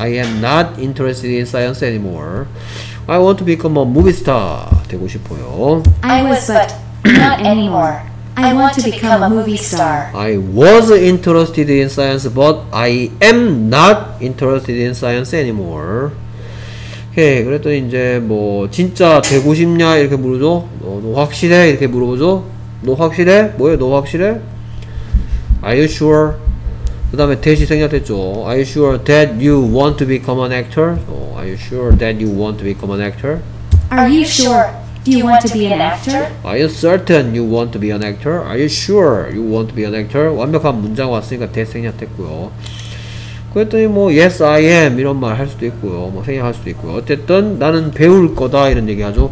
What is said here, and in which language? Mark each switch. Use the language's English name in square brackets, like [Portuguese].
[English] I am not interested in science anymore. I want to become a movie star. [Korean] 되고 싶어요. [English] I was, but not anymore. I want to become a movie star. I was interested in science, but I am not interested in science anymore. [Korean] 오케이, 그랬더니 이제 뭐 진짜 되고 싶냐 이렇게 물어줘. 너 확실해? 이렇게 물어보죠. 너 확실해? 뭐예요? 너 확실해? [English] Are you sure? [Korean] 그 다음에 that이 생략됐죠. [English] Are you sure that you want to become an actor? Are you sure that you want to become an actor? Are you sure? Do you want to be an actor? Are you certain you want to be an actor? Are you sure you want to be an actor? [Korean] 완벽한 문장 왔으니까 대 생략됐고요. 그랬더니 뭐 [English] yes I am [Korean] 이런 말 할 수도 있고요. 뭐 생략할 수도 있고요. 어쨌든 나는 배울 거다 이런 얘기하죠.